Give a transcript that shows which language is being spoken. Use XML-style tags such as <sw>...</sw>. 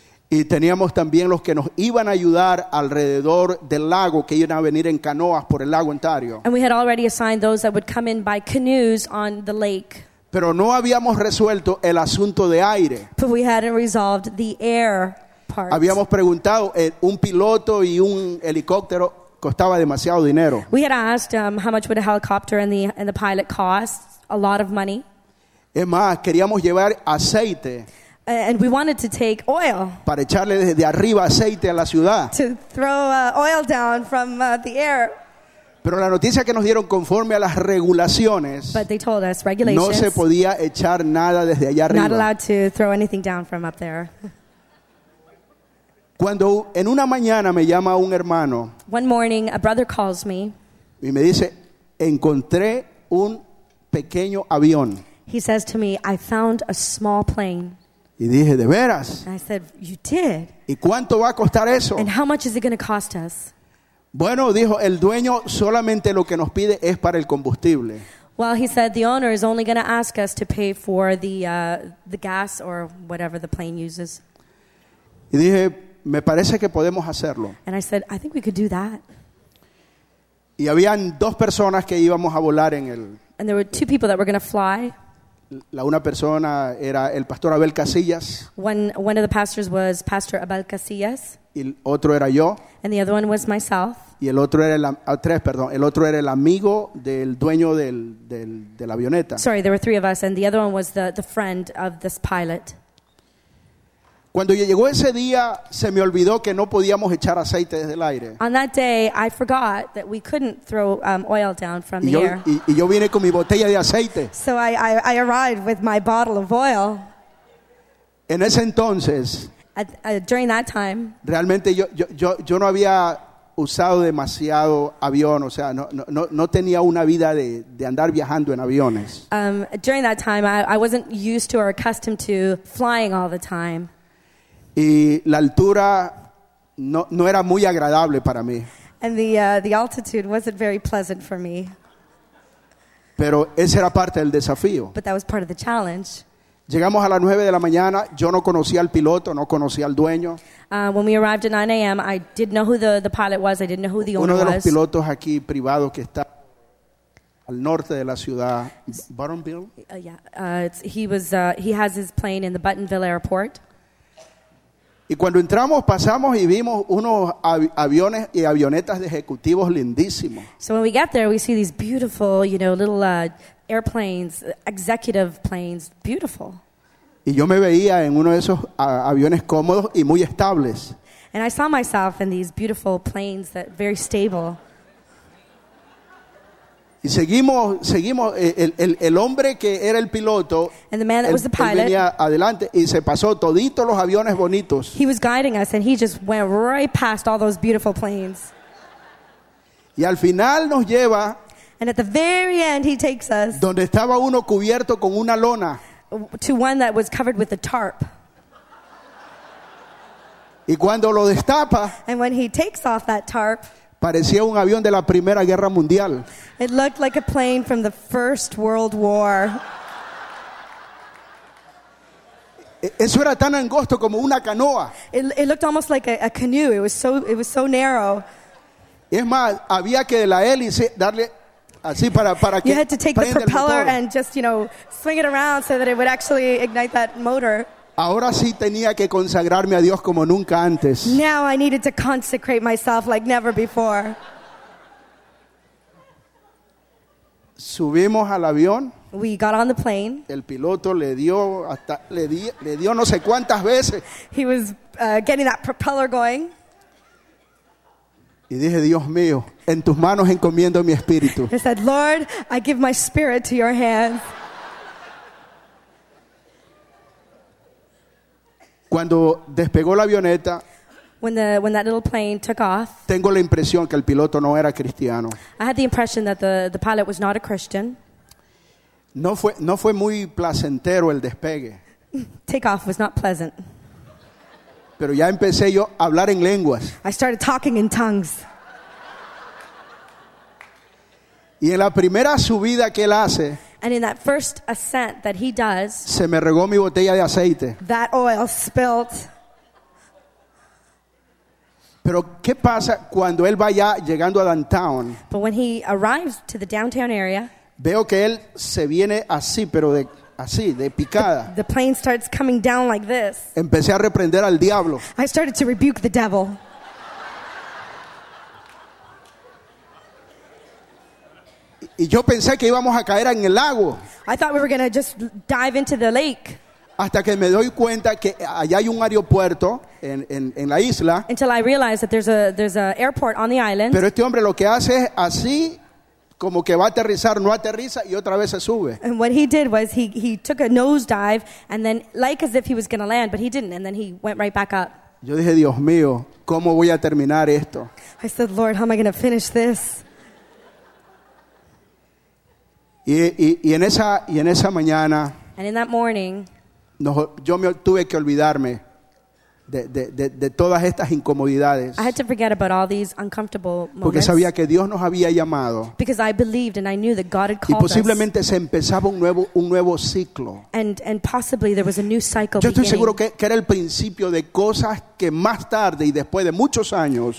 <es>Y teníamos también los que nos iban a ayudar alrededor del lago que iban a venir en canoas por el lago Ontario.</es> <en>And we had already assigned those that would come in by canoes on the lake.</en> <es>Pero no habíamos resuelto el asunto de aire.</es> <en>But we hadn't resolved the air part.</en> <es>Habíamos preguntado un piloto y un helicóptero costaba demasiado dinero.</es> <en>We had asked how much would a helicopter and the pilot cost. A lot of money.</en> <es>Es más, queríamos llevar aceite.</es> <en>And we wanted to take oil.</en> <es>Para echarle desde arriba aceite a la ciudad.</es> <en>To throw oil down from the air.</en> <es>Pero la noticia que nos dieron conforme a las regulaciones.</es> <en>But they told us regulations.</en> <es>No se podía echar nada desde allá arriba.</es> <en>Not allowed to throw anything down from up there.</en> <es>Cuando en una mañana me llama un hermano.</es> <en>One morning a brother calls me.</en> <es>Y me dice, encontré un pequeño avión.</es> <en>He says to me, I found a small plane.</en> <es>Y dije, ¿de veras?</es> <en>And I said, you did?</en> <es>¿Y cuánto va a costar eso?</es> <en>And how much is it going to cost us?</en> <es>Bueno, dijo, el dueño solamente lo que nos pide es para el combustible.</es> <en>Well, he said, the owner is only going to ask us to pay for the gas or whatever the plane uses.</en> <es>Y dije, me parece que podemos hacerlo.</es> <en>And I said, I think we could do that.</en> <es>Y habían dos personas que íbamos a volar en el...</es> <en>And there were two people that were going to fly.</en> <es>La una persona era el pastor Abel Casillas.</es> <en>One of the pastors was Pastor Abel Casillas.</en> <es>Y el otro era yo.</es> <en>And the other one was myself.</en> <es>Y el otro era el amigo del dueño de la avioneta.</es> <en>Sorry, there were three of us, and the other one was the friend of this pilot.</en> <es>Cuando llegó ese día, se me olvidó que no podíamos echar aceite desde el aire.</es> <en>On that day, I forgot that we couldn't throw oil down from the air.</en> <es>Y yo vine con mi botella de aceite.</es> <en>So I arrived with my bottle of oil.</en> <es>En ese entonces,</es> <en>during that time,</en> <es>realmente yo no había usado demasiado avión, o sea, no tenía una vida de andar viajando en aviones.</es> <en>During that time, I wasn't used to or accustomed to flying all the time.</en> <es>Y la altura no era muy agradable para mí.</es> <en>And the altitude wasn't very pleasant for me.</en> <es>Pero ese era parte del desafío.</es> <en>But that was part of the challenge.</en> <es>Llegamos a las 9 de la mañana, yo no conocía al piloto, no conocía al dueño.</es> <en>When we arrived at 9 a.m., I didn't know who the pilot was, I didn't know who the owner was.</en> <es>Uno de los pilotos aquí privados que está al norte de la ciudad, Buttonville.</es> <en>He has his plane in the Buttonville Airport.</en> <es>Y cuando entramos, pasamos y vimos unos aviones y avionetas de ejecutivos lindísimos.</es> <en>So when we got there, we see these beautiful, you know, little airplanes, executive planes, beautiful.</en> <es>Y yo me veía en uno de esos aviones cómodos y muy estables.</es> <en>And I saw myself in these beautiful planes that very stable.</en> <es>Y seguimos el hombre que era el piloto.</es> <en>And the man that was the pilot.</en> <es>Él venía adelante y se pasó toditos los aviones bonitos.</es> <en>He was guiding us and he just went right past all those beautiful planes.</en> <es>Y al final nos lleva.</es> <en>And at the very end he takes us.</en> <es>Donde estaba uno cubierto con una lona.</es> <en>To one that was covered with a tarp.</en> <es>Y cuando lo destapa.</es> <en>And when he takes off that tarp.</en> <es>Parecía un avión de la Primera Guerra Mundial.</es> <en>It looked like a plane from the First World War.</en> <es>Eso era tan angosto como una canoa.</es> <en>It looked almost like a canoe. It was so narrow.</en> <es>Es más, había que de la hélice darle así para que.</es> <en>You had to take the propeller and just, you know, swing it around so that it would actually ignite that motor.</en> <es>Ahora sí tenía que consagrarme a Dios como nunca antes.</es> <en>Now I needed to consecrate myself like never before.</en> <es>Subimos al avión.</es> <en>We got on the plane.</en> <es>El piloto le dio no sé cuántas veces.</es> <en>He was getting that propeller going.</en> <es>Y dije, Dios mío, en tus manos encomiendo mi espíritu.</es> <en>He said, Lord, I give my spirit to your hands.</en> <es>Cuando despegó la avioneta,</es> <en>when that little plane took off,</en> <es>tengo la impresión que el piloto no era cristiano.</es> <en>I had the impression that the pilot was not a Christian.</en> <es>No fue muy placentero el despegue.</es> <en>Takeoff was not pleasant.</en> <es>Pero ya empecé yo a hablar en lenguas.</es> <en>I started talking in tongues.</en> <es>Y en la primera subida que él hace,</es> <en>and in that first ascent that he does,</en> <es>se me regó mi botella de aceite.</es> <en>That oil spilled.</en> <es>Pero ¿qué pasa cuando él va ya llegando a downtown?</es> <en>But when he arrives to the downtown area,</en> <es>veo que él se viene así, pero de así, de picada.</es> <en>The plane starts coming down like this.</en> <es>Empecé a reprender al diablo.</es> <en>I started to rebuke the devil.</en> <es>Y yo pensé que íbamos a caer en el lago.</es> <en>I thought we were going to just dive into the lake.</en> <es>Hasta que me doy cuenta que allá hay un aeropuerto en la isla.</es> <en>Until I realized that there's a airport on the island.</en> <es>Pero este hombre lo que hace es así, como que va a aterrizar, no aterriza y otra vez se sube.</es> <en>And what he did was he took a nosedive and then like as if he was going to land, but he didn't, and then he went right back up.</en> <es>Yo dije, Dios mío, ¿cómo voy a terminar esto?</es> <en>I said, Lord, how am I going to finish this?</en> <es>Y en esa mañana,</es> <en>and in that morning,</en> <es>yo me tuve que olvidarme de todas estas incomodidades.</es> <en>I had to forget about all these uncomfortable moments.</en> <es>Porque sabía que Dios nos había llamado.</es> <en>Because I believed and I knew that God had called us.</en> <es>Y posiblemente se empezaba un nuevo ciclo.</es> <en>And possibly there was a new cycle.</en> <es>Yo estoy seguro que era el principio de cosas que más tarde y después de muchos años.</es>